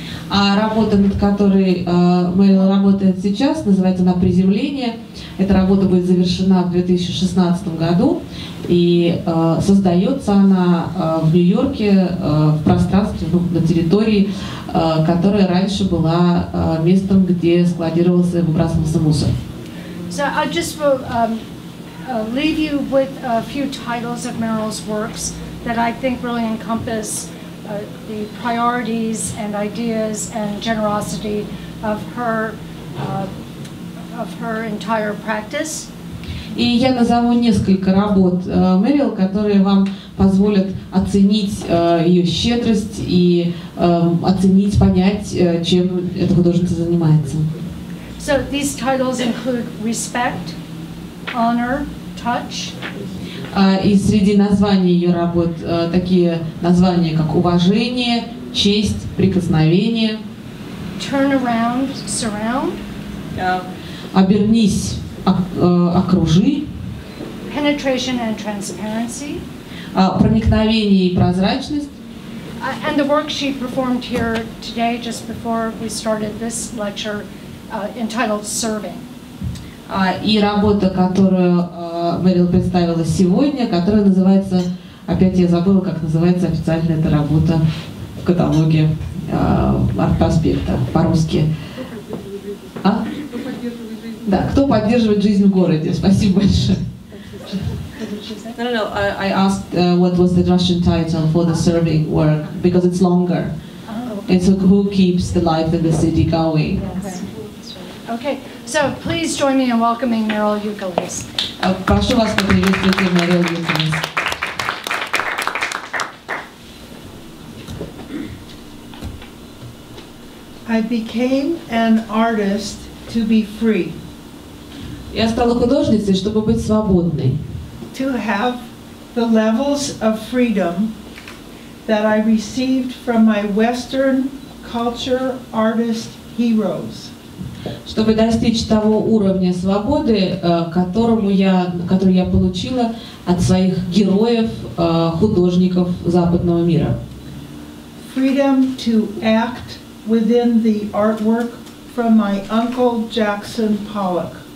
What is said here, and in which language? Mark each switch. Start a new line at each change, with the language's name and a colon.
Russian: А работа, над которой Мерль работает сейчас, называется она «Приземление». Эта работа будет завершена в 2016 году, и создается она в Нью-Йорке в пространстве, ну, на территории, которая раньше была местом, где складировался и выбрасывался мусор.
English: So I just will leave you with a few titles of Mierle's works that I think really encompass the priorities and ideas and generosity of her entire practice.
Russian: И я назову несколько работ Мерил, которые вам позволят оценить ее щедрость и оценить, понять, чем эта художница занимается.
English: So these titles include respect, honor, touch.
Russian: И среди названий ее работ такие названия, как уважение, честь, прикосновение.
English: Turn around, surround.
Russian: Обернись, окружи.
English: Penetration and transparency.
Russian: Проникновение и прозрачность.
English: And the work she performed here today, just before we started this lecture, entitled Serving.
Russian: И работа, которую Мерль представила сегодня, которая называется, опять я забыла, как называется официально эта работа в каталоге Art Prospect по-русски. Да, кто поддерживает жизнь в городе? Спасибо большое.
English: No, no, I asked what was the Russian title for the serving work, because it's longer. Oh, It's like who keeps the life of the city going. Yes. Okay, so please join me in welcoming Mierle Ukeles.
Russian: Прошу вас поприветствовать Mierle Ukeles.
English: I became an artist to be free.
Russian: Я стала художницей, чтобы быть свободной.
English: To have the levels of freedom that I received from my Western culture artist heroes.
Russian: Чтобы достичь того уровня свободы, который я получила от своих героев, художников западного мира.
English: Freedom to act within the artwork from my uncle Jackson Pollock.